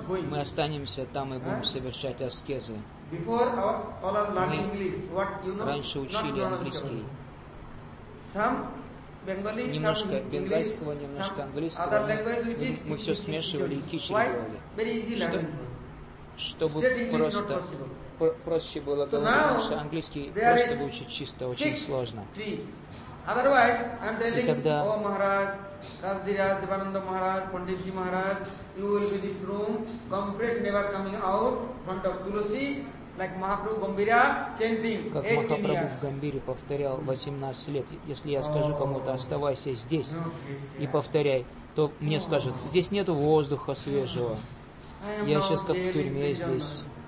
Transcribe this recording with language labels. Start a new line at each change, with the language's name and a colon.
Russian: Мы останемся там и будем совершать аскезы.
English: Before all our learning English, what you know?
Russian: Раньше учили английский.
English: Some Bengali,
Russian: немножко
English: some
Russian: бенгальского,
English: English,
Russian: немножко английского. Мы все смешивали и хичи делали. Чтобы просто проще было говорить, потому что английский просто выучить чисто очень сложно.
English: Otherwise, I'm telling you, oh Maharaj, Rasdiraj, Devananda Maharaj, Panditji Maharaj, you will be this room, complete, never coming out, front of Tulasi, like Mahaprabhu Gambhira, chanting, 18 years.
Russian: Как Махапрабху в Гамбире повторял 18 лет, если я скажу кому-то, оставайся здесь и повторяй, то мне скажут, здесь нету воздуха свежего, я сейчас как в тюрьме здесь.